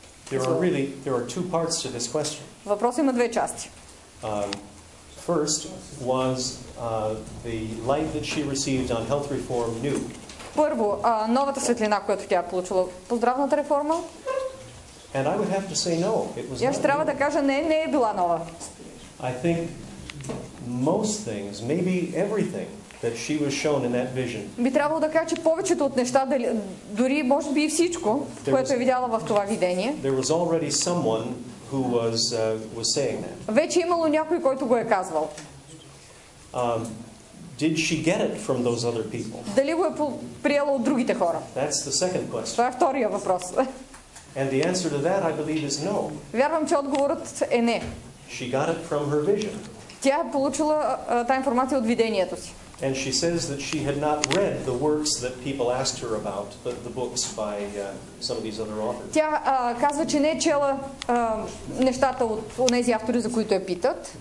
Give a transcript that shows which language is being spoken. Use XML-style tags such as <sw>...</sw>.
<en>There are two parts to this question.</en> <bg>Въпросът има две части.</bg> <en>First was the light that she received on health reform new.</en> <bg>Първо, новата светлина, която тя получила по здравната реформа.</bg> <en>And I would have to say no, it was.</en> <bg>Я трябва да кажа не е била нова.</bg> <en>I think most things, maybe everything that she was shown in that vision.</en> <bg>Би трябвало да кажа, че повечето от неща, дори може би и всичко, което е видяла в това видение.</bg> <en>There was already someone who was saying that.</en> <bg>Вече имало някой, който го е казвал.</bg> <en>Did she get it from those other people?</en> <bg>Дали го е приела от другите хора?</bg> <en>That's the second question.</en> <bg>Това е втория въпрос.</bg> <en>And the answer to that, I believe, is no.</en> <bg>Вярвам, че отговорът е не.</bg> <en>She got it from her vision.</en> <bg>Тя е получила тази информация от видението си.</bg> <en>And she says that she had not read the works that people asked her about, the books by some of these other authors.</en> <bg>Тя казва, че не е чела нещата от тези автори, за които я питат.</bg>